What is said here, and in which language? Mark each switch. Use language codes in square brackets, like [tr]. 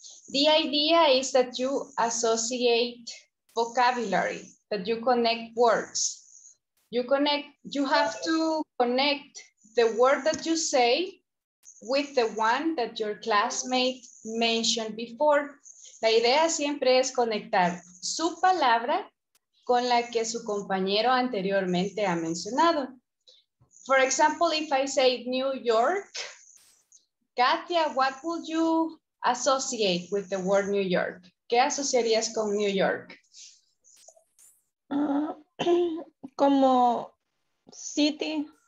[en] The idea is that you associate vocabulary, that you connect words. You have to connect the word that you say with the one that your classmate mentioned before. [es] La idea siempre es conectar su palabra con la que su compañero anteriormente ha mencionado. [en] For example, if I say New York, Katia, what would you associate with the word New York? [es] ¿Qué asociarías con New York? Como city.